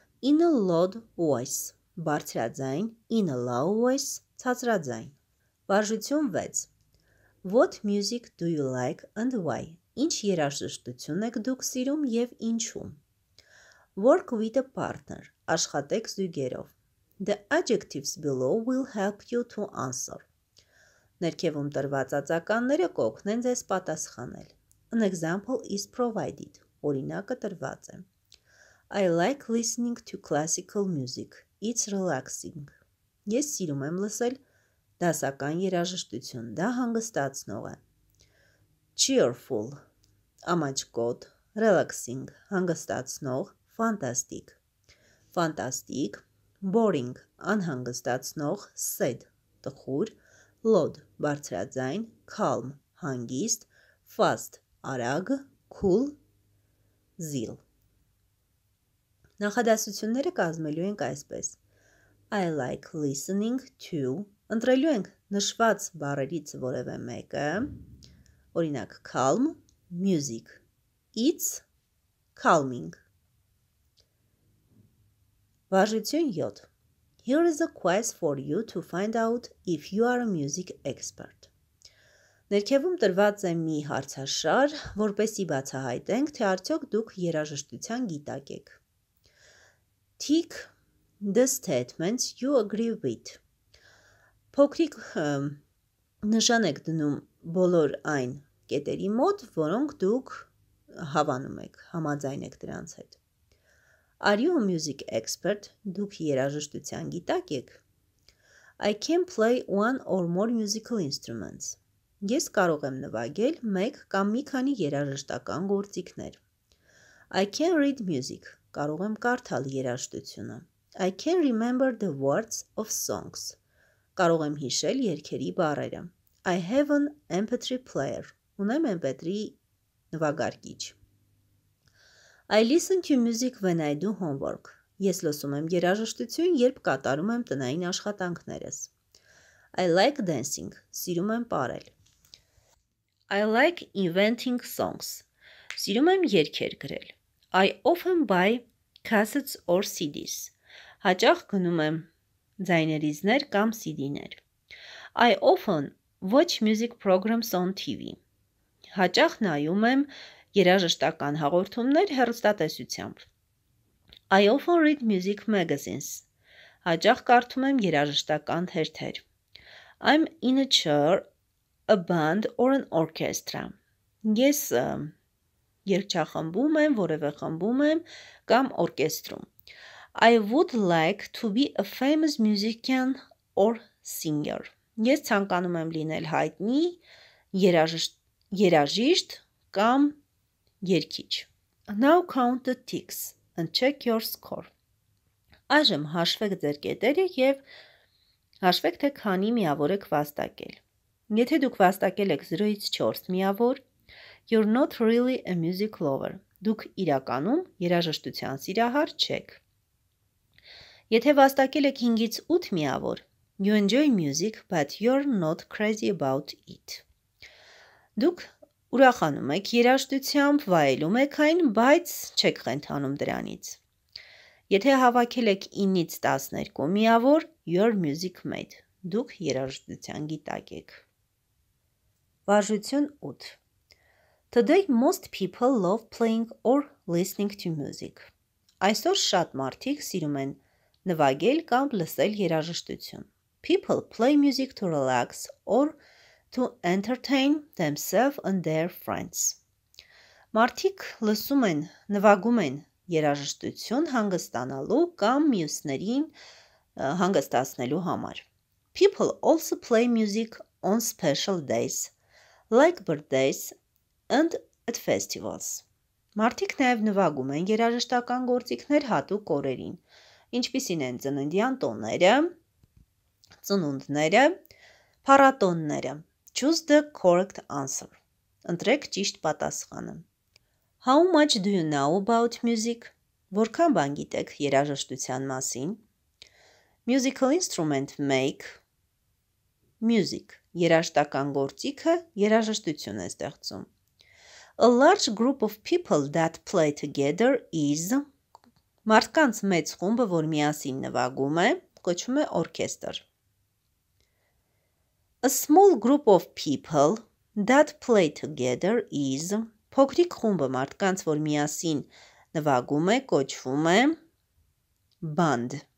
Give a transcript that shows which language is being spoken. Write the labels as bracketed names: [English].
[English] In a loud voice, [Armenian] բարձրաձայն, [English] in a loud voice, [Armenian] ցածրաձայն. Վարժություն 6. [English] What music do you like and why? [Armenian] Ինչ երաժշտություն եք դուք սիրում և ինչու? [English] Work with a partner, [Armenian] աշխատեք զույգերով. [English] The adjectives below will help you to answer. [Armenian] Ներքևում տրված ածականները կօգնեն ձեզ պատասխանել. [English] An example is provided, [Armenian] օրինակը տրված է. [English] I like listening to classical music. It's relaxing. [Armenian] Ես սիրում եմ լսել դասական երաժշտություն, դա հանգստացնող է. [English] Cheerful, [Armenian] ամաչկոտ, [English] relaxing, [Armenian] հանգստացնող, [English] fantastic. Fantastic, boring, [Armenian] անհանգստացնող, [English] sad, [Armenian] տխուր, [English] loud, [Armenian] բարձրաձայն, [English] calm, [Armenian] հանգիստ, [English] fast, [Armenian] արագ, [English] cool, zeal. [Armenian] Նախադասությունները կազմելու ենք այսպես. [English] I like listening to, [Armenian] ընտրելու ենք նշված բառերից որևէ մեկը, օրինակ [English] calm, music, it's calming. [Armenian] Վարժություն 7. [English] Here is a quiz for you to find out if you are a music expert. [Armenian] Ներքևում տրված է մի հարցաշար, որպեսի բացահայտենք, թե արդյոք դուք երաժշտության գիտակ եք. [English] Tick the statements you agree with. [Armenian] Փոքրիկ նշան եք դնում բոլոր այն կետերի մոտ, որոնք դուք հավանում եք, համաձայն եք դրանց հետ. [English] Are you a music expert? [Armenian] Դուք երաժշտության գիտակ եք? [English] I can play one or more musical instruments. [Armenian] Ես կարող եմ նվագել մեկ կամ մի քանի երաժշտական գործիքներ. [English] I can read music. [Armenian] Կարող եմ կարդալ երաժշտությունը. [English] I can remember the words of songs. [Armenian] Կարող եմ հիշել երգերի բառերը. [English] I have an MP3 player. [Armenian] Ունեմ MP3 նվագարկիչ. [English] I listen to music when I do homework. [Armenian] Ես լսում եմ երաժշտություն, երբ կատարում եմ տնային աշխատանքներս. [English] I like dancing. [Armenian] Սիրում եմ պարել. [English] I like inventing songs. [Armenian] Սիրում եմ երգեր գրել. [English] I often buy cassettes or CDs. [Armenian] Հաճախ գնում եմ ձայներիզներ կամ CD-ներ. [English] I often watch music programs on TV. [Armenian] Հաճախ նայում եմ երաժշտական հաղորդումներ հեռուստատեսությամբ. [English] I often read music magazines. [Armenian] Հաճախ կարդում եմ երաժշտական թերթեր. [English] I'm in a chair, a band or an orchestra. [Armenian] Ես երգչախմբում եմ, որևէ խմբում եմ կամ օրկեստրում. [English] I would like to be a famous musician or singer. [Armenian] Ես ցանկանում եմ լինել հայտնի երաժիշտ կամ երգիչ. [English] Now count the ticks and check your score. [Armenian] Այժմ հաշվեք ձեր կետերը և հաշվեք, թե քանի միավոր եք վաստակել։ Եթե դուք վաստակել եք 0-ից 4 միավոր, [English] you're not really a music lover. [Armenian] Դուք իրականում երաժշտության սիրահար չեք։ Եթե վաստակել եք 5-ից 8 միավոր, [English] You enjoy music, but you're not crazy about it. [Armenian] Դուք ուրախանում եք երաժշտությամբ, վայելում եք այն, բայց չեք խենթանում դրանից. Եթե հավաքել եք 9-ից 12 միավոր, [English] you're music mate. [Armenian] Դուք երաժշտության գիտակ եք. Վարժություն 8. [English] Today most people love playing or listening to music. [Armenian] Այսօր շատ մարդիկ սիրում են նվագել կամ լսել երաժշտություն. [English] People play music to relax or to entertain themselves and their friends. [Armenian] Մարդիկ լսում են, նվագում են երաժշտություն հանգստանալու կամ մյուսներին հանգստացնելու համար. [English] People also play music on special days, like birthdays and at festivals. [Armenian] Մարդիկ նաև նվագում են երաժշտական գործիքներ հատուկ օրերին, ինչպիսին են ծննդյան տոնները, ծնունդները, փառատոնները. [English] Choose the correct answer. [Armenian] Ընտրեք ճիշտ պատասխանը. [English] How much do you know about music? [Armenian] Որքան բան գիտեք երաժշտության մասին? [English] Musical instrument make music. [Armenian] Երաժշտական գործիքը երաժշտություն է ստեղծում. [English] A large group of people that play together is [Armenian] Մարդկանց մեծ խումբը, որ միասին նվագում է, կոչվում է օրքեստր. [English] A small group of people that play together is [Armenian] Փոքրիկ խումբը մարդկանց, որ միասին նվագում է, կոչվում է band.